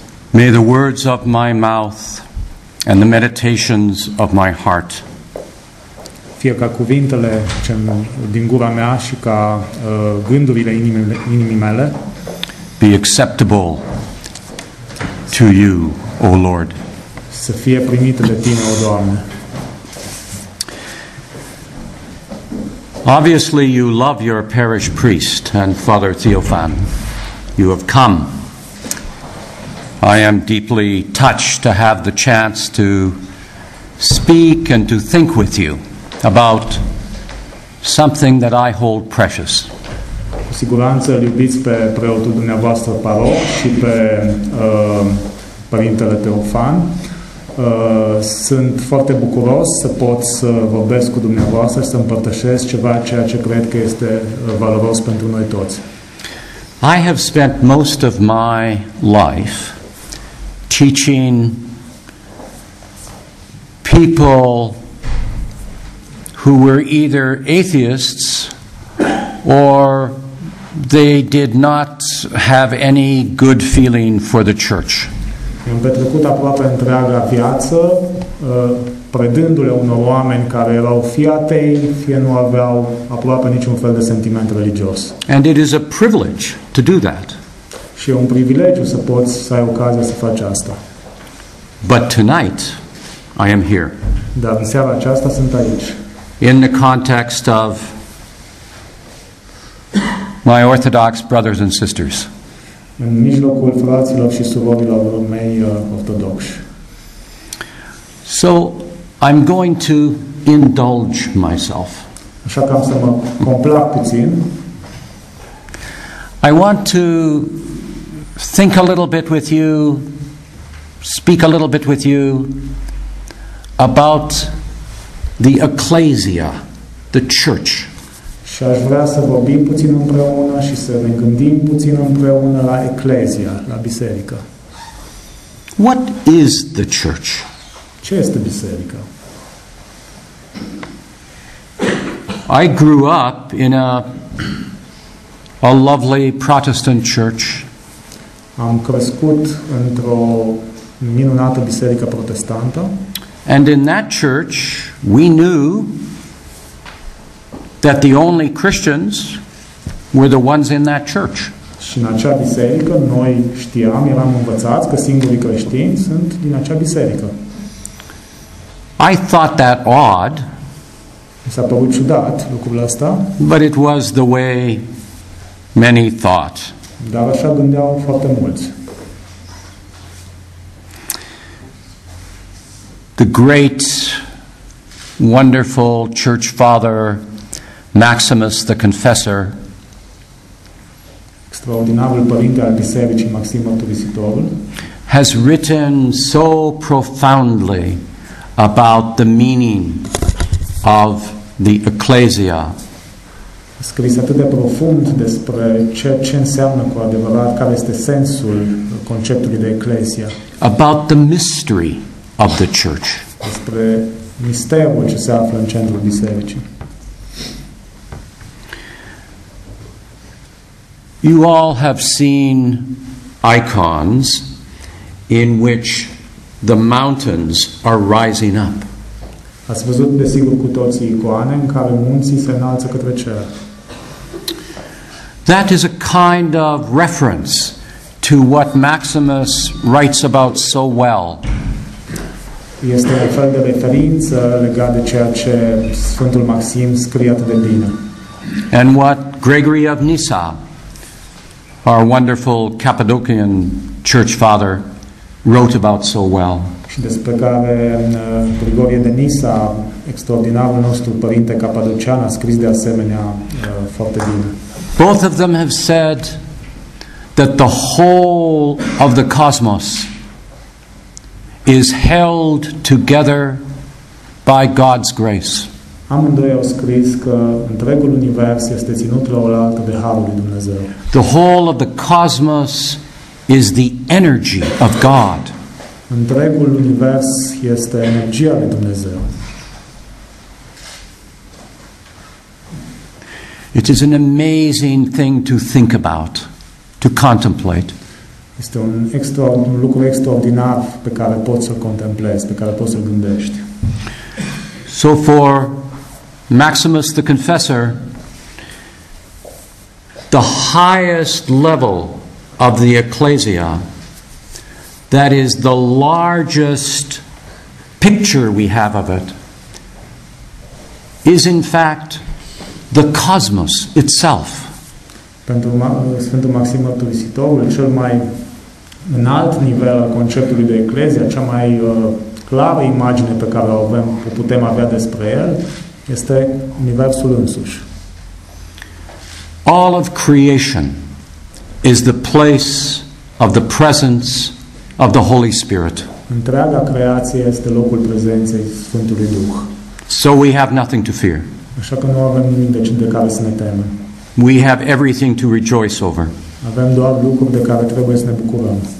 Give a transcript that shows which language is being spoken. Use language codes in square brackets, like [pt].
[en] May the words of my mouth and the meditations of my heart [ro] fie ca cuvintele din gura mea și ca gândurile inimii mele [en] be acceptable to you, O Lord. [ro] să fie primite de tine, o Doamne. [en] Obviously you love your parish priest and Father Theophan. You have come. I am deeply touched to have the chance to speak and to think with you about something that I hold precious. [ro] Cu siguranță îl iubiți pe preotul dumneavoastră paroh și pe Părintele Teofan. Sunt foarte bucuros să pot să vorbesc cu dumneavoastră și să împărtășesc ceva ceea ce cred că este valoros pentru noi toți. [en] I have spent most of my life teaching people who were either atheists or they did not have any good feeling for the church. [ro] Am petrecut aproape întreaga viață predându-le unor oameni care erau fie atei, fie nu aveau aproape niciun fel de sentiment religios. [en] And it is a privilege to do that. [ro] Și e un privilegiu să poți să ai ocazia să faci asta. [en] But tonight I am here. [ro] Dar în seara aceasta sunt aici. [en] In the context of my Orthodox brothers and sisters. [ro] În mijlocul fraților și surorilor mei ortodoxi. [en] So I'm going to indulge myself. [ro] Așa că am să mă complac puțin. [en] I want to think a little bit with you, speak a little bit with you about the ecclesia, the church. [ro] Și aș vrea să vorbim puțin împreună și să ne gândim puțin împreună la eclezia, la biserică. [en] What is the church? [ro] Ce este biserica? [en] I grew up in a lovely Protestant church. [ro] Am crescut într-o minunată biserică protestantă. [en] And in that church, we knew that the only Christians were the ones in that church. [ro] Și în acea biserică noi știam, eram învățați că singurii creștini sunt din acea biserică. [en] I thought that odd. [ro] Mi s-a părut ciudat lucrul ăsta. [en] But it was the way many thought. [ro] Dar așa gândeau foarte mulți. [en] The great, wonderful church father Maximus the Confessor. [ro] Extraordinarul părinte al bisericii Maxim Mărturisitorul [en] has written so profoundly about the meaning of the ecclesia. [ro] A scris atât de profund despre ce înseamnă cu adevărat, care este sensul conceptului de eclesia. [en] About the mystery of the church. [ro] Despre misterul ce se află în centrul bisericii. [en] You all have seen icons in which the mountains are rising up. [ro] Ați văzut desigur cu toții icoane în care munții se înalță către cer. [en] That is a kind of reference to what Maximus writes about so well. [ro] Este un fel de referință legat de ceea ce Sfântul Maxim scrie atât de bine. [en] And what Gregory of Nyssa, our wonderful Cappadocian church father, wrote about so well. [ro] Și despre care Grigorie de Nisa, extraordinarul nostru părinte capadocian, a scris de asemenea foarte bine. [en] Both of them have said that the whole of the cosmos is held together by God's grace. [ro] Amândoi au scris că întregul univers este ținut la oaltă de harul lui Dumnezeu. [en] The whole of the cosmos is the energy of God. [ro] Întregul univers este energia lui Dumnezeu. [en] It is an amazing thing to think about, to contemplate. [ro] Este un lucru extraordinar pe care poți să-l contemplezi, pe care poți să-l gândești. [en] So for Maximus the Confessor, the highest level of the ecclesia, that is the largest picture we have of it is in fact the cosmos itself. [ro] Pentru Sfântul Maxim Mărturisitorul, cel mai înalt nivel al conceptului de eclezie, cea mai clară imagine pe care o putem avea despre el, este universul însuși. [en] All of creation is the place of the presence of the Holy Spirit. [ro] Întreaga creație este locul prezenței Sfântului Duh. [en] So we have nothing to fear. [ro] Așa că nu avem nimic de care să ne temem. [en] We have everything to rejoice over. [ro] Avem doar lucruri de care trebuie să ne bucurăm.